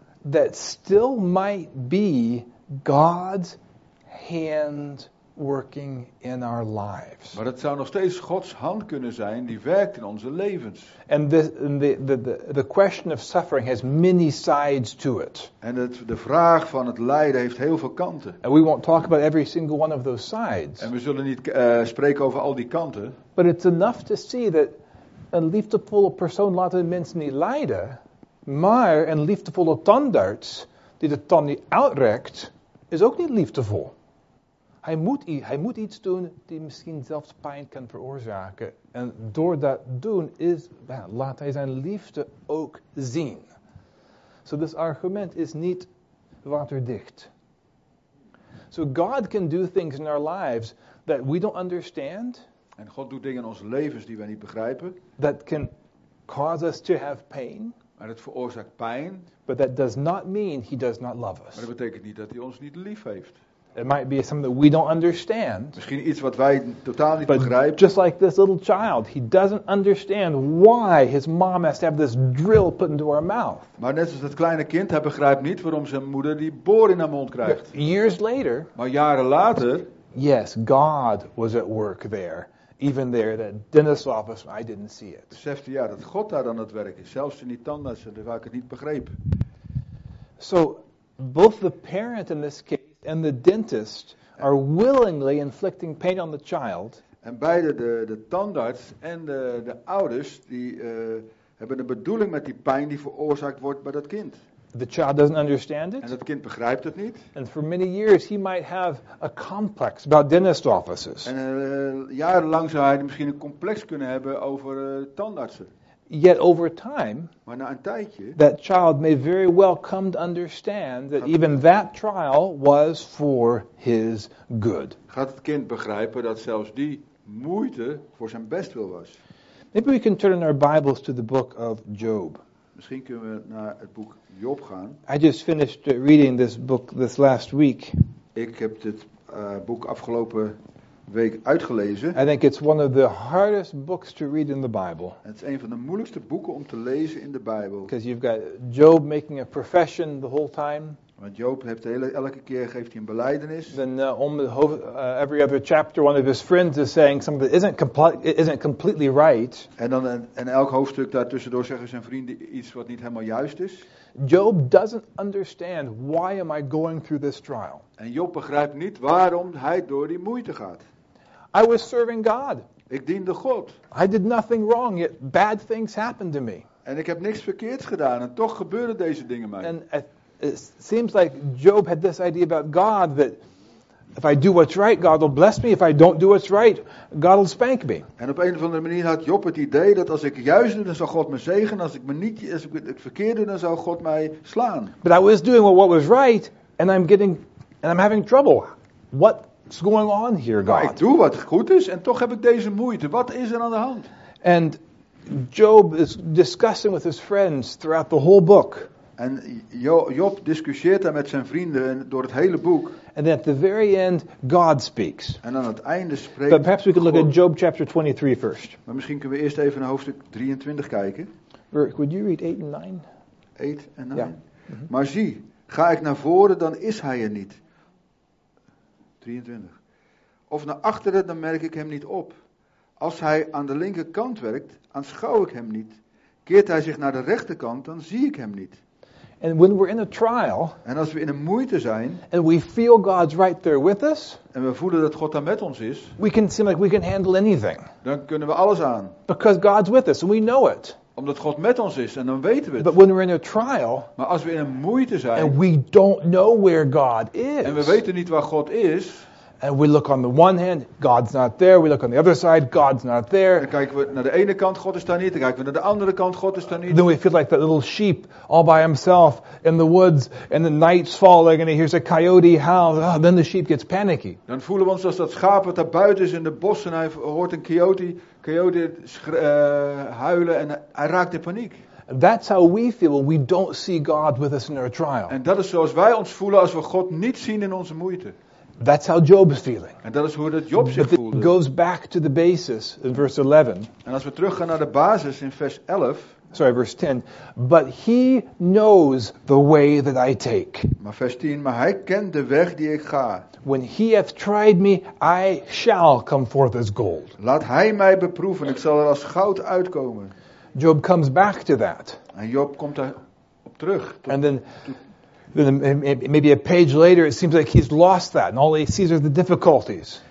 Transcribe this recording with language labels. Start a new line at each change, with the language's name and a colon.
English: That still might be God's hand working in our lives.
Dutch: Maar het zou nog steeds Gods hand kunnen zijn die werkt in onze levens.
English: And the question of suffering has many sides to it.
Dutch: En de vraag van het lijden heeft heel veel kanten.
English: And we won't talk about every single one of those sides.
Dutch: En we zullen niet spreken over al die kanten.
English: But it's enough to see that
Dutch: een liefdevolle persoon laat de mensen niet lijden. Maar een liefdevolle tandarts die de tand niet uitrekt, is ook niet liefdevol. Hij moet iets doen die misschien zelfs pijn kan veroorzaken. En door dat doen laat hij zijn liefde ook zien.
English: So this argument is
Dutch: niet waterdicht.
English: So God can do things in our lives that we don't understand.
Dutch: En God doet dingen in onze levens die wij niet begrijpen.
English: That can cause us to have pain.
Dutch: Maar het veroorzaakt pijn.
English: But that does not mean he does not love us.
Dutch: Maar dat betekent niet dat hij ons niet lief heeft.
English: It might be something that we don't understand.
Dutch: Misschien iets wat wij totaal niet begrijpen.
English: Just like this little child, he doesn't understand why his mom has to have this drill put into her mouth.
Dutch: Maar net als dat kleine kind, hij begrijpt niet waarom zijn moeder die boor in haar mond krijgt.
English: But years later.
Dutch: Maar jaren later.
English: Yes, God was at work there. Even there, that dentist's office, I didn't see it.
Dutch: Besefte ja dat God daar aan het werk is, zelfs in die tandarts, waar ik het niet begreep.
English: So, both the parent in this case and the dentist are willingly inflicting pain on the child.
Dutch: En beide de tandarts en de ouders die hebben een bedoeling met die pijn die veroorzaakt wordt bij dat kind.
English: The child doesn't understand it.
Dutch: En dat kind begrijpt het niet.
English: And for many years he might have a complex about dentist offices.
Dutch: En jarenlang zou hij misschien een complex kunnen hebben over tandartsen.
English: Yet over time,
Dutch: maar na een tijdje,
English: that child may very well come to understand that even that trial was for his good.
Dutch: Gaat het kind begrijpen dat zelfs die moeite voor zijn bestwil was?
English: Maybe we can turn in our Bibles to the book of Job.
Dutch: Misschien kunnen we naar het boek Job gaan.
English: I just finished reading this book this last week.
Dutch: Ik heb dit boek afgelopen week uitgelezen.
English: I think it's one of the hardest books to read in the Bible.
Dutch: Het is een van de moeilijkste boeken om te lezen in de Bijbel.
English: Because you've got Job making a profession the whole time.
Dutch: Want Job heeft elke keer geeft hij een belijdenis.
English: Then every other chapter, one of his friends is saying something that isn't completely right.
Dutch: En dan in elk hoofdstuk daartussendoor zeggen zijn vrienden iets wat niet helemaal juist is.
English: Job doesn't understand why am I going through this trial.
Dutch: En Job begrijpt niet waarom hij door die moeite gaat.
English: I was serving God.
Dutch: Ik diende God.
English: I did nothing wrong, yet bad things happened to me.
Dutch: En ik heb niks verkeerds gedaan en toch gebeuren deze dingen mij.
English: It seems like Job had this idea about God that if I do what's right, God will bless me. If I don't do what's right, God will spank me.
Dutch: En op een of andere manier had Job het idee dat als ik juist doe, dan zal God me zegenen. Als ik het verkeerd doe, dan zal God mij slaan.
English: But I was doing what was right, and I'm having trouble. What's going on here, God?
Dutch: Maar ik doe wat goed is, en toch heb ik deze moeite. Wat is er aan de hand?
English: And Job is discussing with his friends throughout the whole book.
Dutch: En Job discussieert daar met zijn vrienden door het hele boek.
English: And at the very end, God speaks.
Dutch: En aan het einde spreekt God.
English: But perhaps we can look at Job chapter 23 first.
Dutch: Maar misschien kunnen we eerst even naar hoofdstuk 23 kijken.
English: Rick, would you read 8 and 9? 8 and 9. Yeah. Mm-hmm.
Dutch: Maar zie, ga ik naar voren, dan is hij er niet. 23. Of naar achteren, dan merk ik hem niet op. Als hij aan de linkerkant werkt, aanschouw ik hem niet. Keert hij zich naar de rechterkant, dan zie ik hem niet.
English: And when we're in a trial,
Dutch: en als we in een moeite zijn,
English: and we feel God's right there with us,
Dutch: en we voelen dat God daar met ons is,
English: we can seem like we can handle anything.
Dutch: Dan kunnen we alles aan.
English: Because God's with us and we know it.
Dutch: Omdat God met ons is en dan weten we het.
English: But when we're in a trial,
Dutch: maar als we in een moeite zijn,
English: and we don't know where God is,
Dutch: en we weten niet waar God is,
English: and we look on the one hand, God's not there. We look on the other side, God's not there.
Dutch: Dan kijken we naar de ene kant, God is daar niet. Dan kijken we naar de andere kant, God is daar niet.
English: Then we feel like that little sheep all by himself in the woods, and the night's falling, and he hears a coyote howl. Oh, then the sheep gets panicky.
Dutch: Dan voelen we ons als dat schaap wat daar buiten is in de bossen, en hij hoort een coyote huilen, en hij raakt in paniek.
English: That's how we feel when we don't see God with us in our trial.
Dutch: En dat is zoals wij ons voelen als we God niet zien in onze moeite.
English: That's how Job is feeling.
Dutch: En dat is hoe dat Job zich voelde.
English: But it goes back to the basis in verse 11.
Dutch: En als we teruggaan naar de basis in vers 11.
English: Sorry, verse 10. But he knows the way that I take.
Dutch: Maar vers 10. Maar hij kent de weg die ik ga.
English: When he hath tried me, I shall come forth as gold.
Dutch: Laat hij mij beproeven. Ik zal er als goud uitkomen.
English: Job comes back to that.
Dutch: En Job komt daar op terug.
English: Then maybe a page later, it seems like he's lost that, and all he sees are the difficulties.